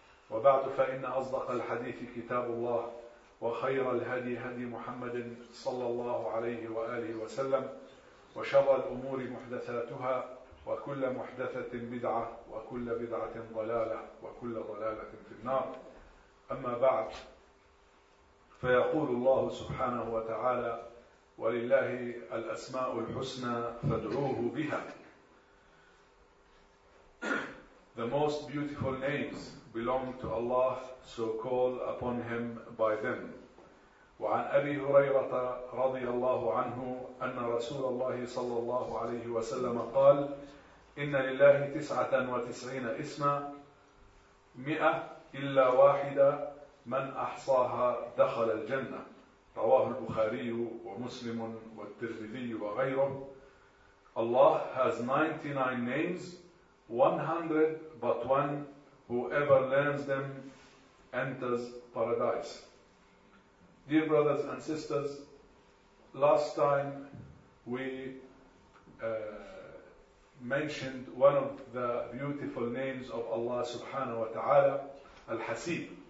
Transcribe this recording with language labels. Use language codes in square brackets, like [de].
[ar] وبعد، فإن أصدق الحديث كتاب الله، وخير الهدي هدي محمد صلى الله عليه وآله وسلم، وشر الأمور محدثاتها، وكل محدثة بدعة، وكل بدعة ضلالة، وكل ضلالة في النار. أما بعد، فيقول الله سبحانه وتعالى: ولله الأسماء الحسنى فادعوه بها. [en] The most beautiful names belong to Allah, so call upon Him by them. [ar] وعن أبي هريرة رضي الله عنه أن رسول الله صلى الله عليه وسلم قال: إن لله 99 اسما، 100 إلا واحدة من أحصاها دخل الجنة. رواه البخاري ومسلم والترمذي وغيره. [en] Allah has 99 names, 100 but one, whoever learns them enters paradise. Dear brothers and sisters, last time we mentioned one of the beautiful names of Allah subhanahu wa ta'ala, Al-Hasib.